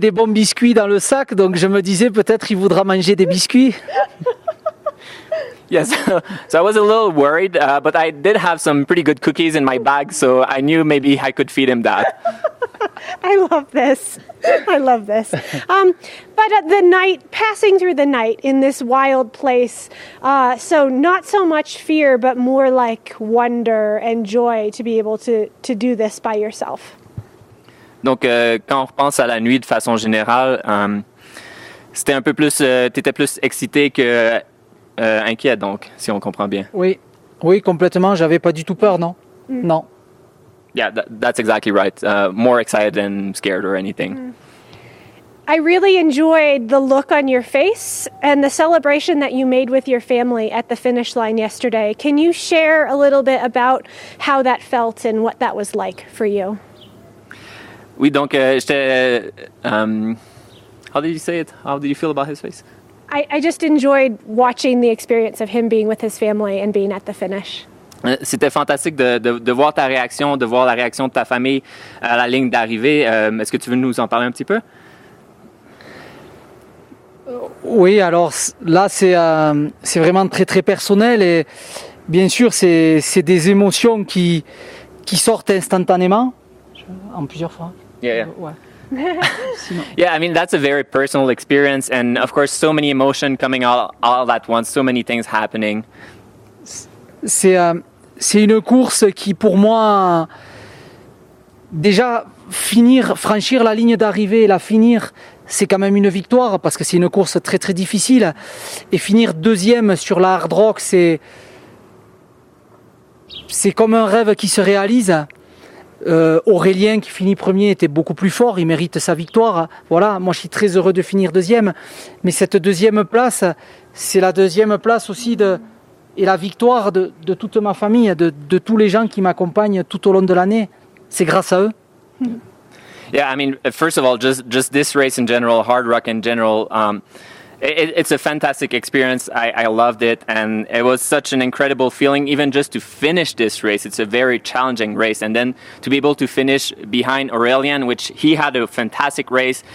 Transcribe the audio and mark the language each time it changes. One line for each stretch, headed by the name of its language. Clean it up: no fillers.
French: des bons biscuits dans le sac, donc je me disais peut-être il voudra manger des biscuits.
English: Yes, so I was a little worried, but I did have some pretty good cookies in my bag, so I knew maybe I could feed him that. I love this. I love this. But at the night, passing through the night in this wild place, so not so much fear, but more like wonder and joy to be able to do this by yourself.
French: Donc, quand on repense à la nuit de façon générale, c'était un peu plus, t'étais plus excité que inquiet, donc, si on comprend bien. Oui, oui, complètement. J'avais pas du tout peur, non? Mm. Non.
English: Yeah, that's exactly right. More excited than scared or anything. Mm. I really enjoyed the look on your face and the celebration that you made with your family at the finish line yesterday. Can you share a little bit about how that felt and what that was like for you?
French: Oui, donc,
English: how did you say it? How did you feel about his face? I just enjoyed watching the experience of him being with his family and being at the finish.
French: C'était fantastique de voir ta réaction, de voir la réaction de ta famille à la ligne d'arrivée. Est-ce que tu veux nous en parler un petit peu? Oui, alors là, c'est vraiment très, très personnel. Et bien sûr, c'est des émotions qui sortent instantanément. En plusieurs fois.
English: Yeah, yeah. Yeah, I mean, that's a very personal experience. And of course, so many emotions coming all at once. So many things happening.
French: C'est une course qui, pour moi, déjà franchir la ligne d'arrivée et la finir, c'est quand même une victoire parce que c'est une course très très difficile. Et finir deuxième sur la Hard Rock, c'est comme un rêve qui se réalise. Aurélien qui finit premier était beaucoup plus fort, il mérite sa victoire. Voilà, moi je suis très heureux de finir deuxième. Mais cette deuxième place, c'est la deuxième place aussi de, et la victoire de toute ma famille, de tous les gens qui m'accompagnent tout au long de l'année. C'est grâce à eux.
English: Yeah, I mean, first of all, just this race in general, Hardrock in general, it's a fantastic experience. I loved it, and it was such an incredible feeling even just to finish this race. It's a very challenging race, and then to be able to finish behind Aurelien, which he had a fantastic race.